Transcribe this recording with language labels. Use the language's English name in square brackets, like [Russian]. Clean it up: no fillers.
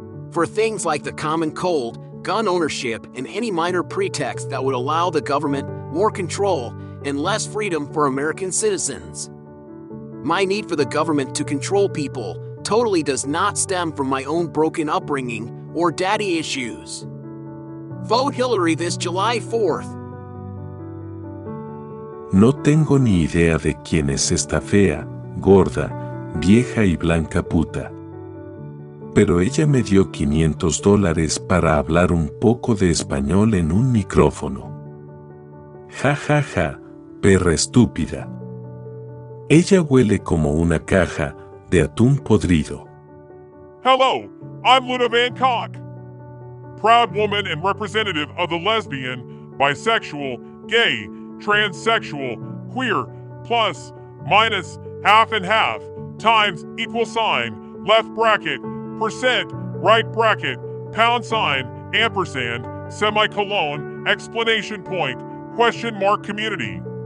[English] For things like the common cold, gun ownership, and any minor pretext that would allow the government more control and less freedom for American citizens. My need for the government to control people totally does not stem from my own broken upbringing or daddy issues. Vote Hillary this July 4th. [Spanish] No tengo ni idea de quién es esta fea, gorda, vieja y blanca puta. Pero ella me dio $500 para hablar un poco de español en un micrófono. Ja ja ja, perra estúpida. Ella huele como una caja de atún podrido. [English] Hello, I'm Luna Van Cock, proud woman and representative of the lesbian, bisexual, gay, transsexual, queer, plus, minus, half and half, times, equal sign, left bracket, percent, right bracket, pound sign, ampersand, semicolon, explanation point, question mark community.